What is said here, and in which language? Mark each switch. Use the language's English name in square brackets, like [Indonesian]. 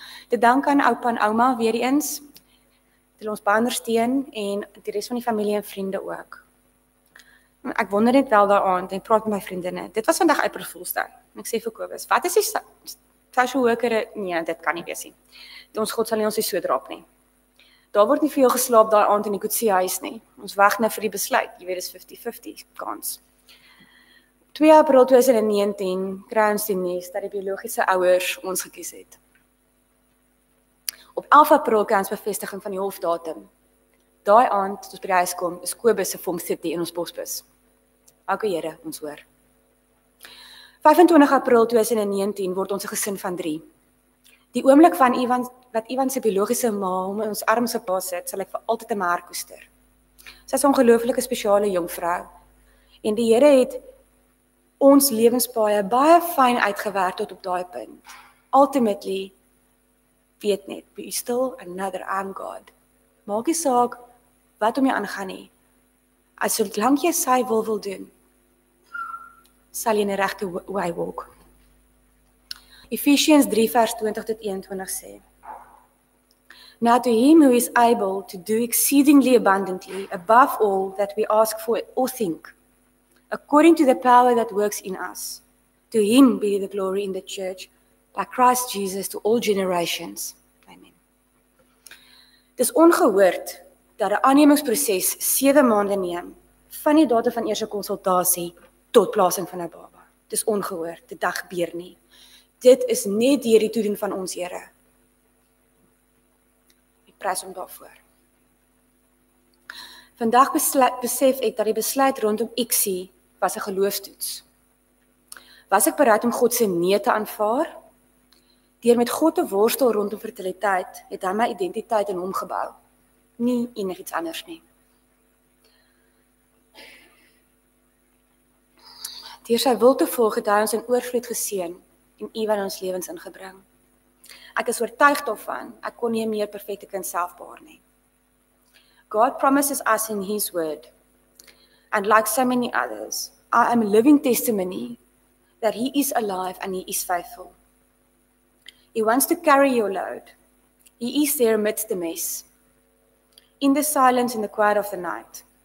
[Afrikaans] Te dank aan oupa en ouma weer eens. Hulle ons baie ondersteun en die res van die familie en vriende ook. Ek wonder net wel daaraan en praat met my vriendinne. Dit was vandag April Fools Day. Ek sê vir Kobus, wat is die social worker? Nee, dit kan nie wees nie. Ons God sal nie ons so drap nie. Daar word nie vir jou geslaap daai aand in die Kotsie huis nie. Ons wag net vir die besluit. Jy weet dis 50-50 kans. 2 April 2019 kry ons die nuus dat die biologiese ouers ons gekies het. Op 11 April kry ons bevestiging van die hofdatum. Daai aand, toe ons by die huis kom, is Kobus se vorm sit in ons posbus. Ag, Here, ons hoor. 25 April 2019 word ons 'n gesin van 3. Die oomblik van Ivan wat Ivan se biologiese ma hom in ons arms gepas het, sal ek vir altyd in my hart koester. Sy is 'n ongelooflike spesiale jong vrou. En die Here het ons lewenspaaie baie fyn uitgewerk tot op daai punt. [English] Ultimately, [Afrikaans] weet net, [English] be still and know that I'm God. [Afrikaans] Maak nie saak wat om jou aangaan nie. As solank jy sy wil doen, sal jy in die regte [English] way walk. Ephesians 3 [Afrikaans] vers 20 tot 21 sê, [English] Now to him who is able to do exceedingly abundantly above all that we ask for or think, according to the power that works in us, to him be the glory in the church, by Christ Jesus to all generations. Amen. [Afrikaans] Dit is ongehoord dat 'n aannemingsproses 7 maande neem, van die data van eerste konsultasie tot plasing van 'n baba. Dit is ongehoord, dit dag gebeur nie. Dit is net deur die toedoen van ons Here. Ek prys hom daarvoor. Vandag besef ek dat die besluit rondom Ixie was 'n geloofstoets. Was ek bereid om God se nee te aanvaar? Deur met God te worstel rondom fertiliteit, het hy my identiteit in hom gebou. Nie enigiets anders nie. Deur sy wil te volg het hy ons in oorvloed geseën en Ivan ons lewens ingebring. Ek is oortuig daarvan, ek kon nie 'n meer perfekte kind self baar nie. [English] God promises us in his word, and like so many others, I am a living testimony that he is alive and he is faithful. He wants to carry your load. He is there amidst the mess, in the silence, in the quiet of the night.